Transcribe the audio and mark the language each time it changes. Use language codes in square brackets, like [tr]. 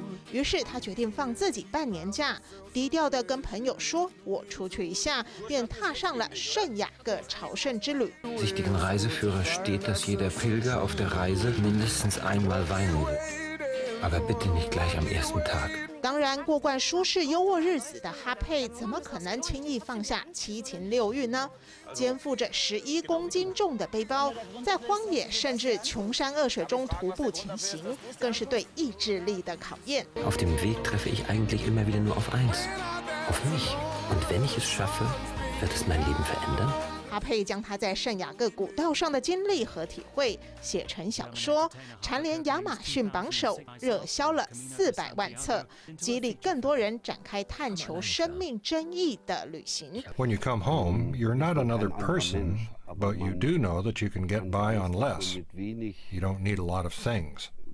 [zh] 于是他决定放自己半年假，低调地跟朋友说：“我出去一下。” 便踏上了圣雅各朝圣之旅。 [de] Sich den Reiseführer steht, dass jeder Pilger auf der Reise mindestens einmal weinen wird, aber bitte nicht gleich am ersten Tag。 [zh] 当然，过惯舒适优渥日子的哈佩，怎么可能轻易放下七情六欲呢？肩负着11公斤重的背包，在荒野甚至穷山恶水中徒步前行，更是对意志力的考验。 [de] Auf dem Weg treffe ich eigentlich immer wieder nur auf eins, auf mich. Und wenn ich es schaffe, wird es mein Leben verändern? [zh] 哈佩将他在圣雅各古道上的经历和体会写成小说，蝉联亚马逊榜首，热销了400万册，激励更多人展开探求生命真意的旅行。 [en] When you come home, you're not another person, but you do know that you can get by on less. You don't need a lot of things.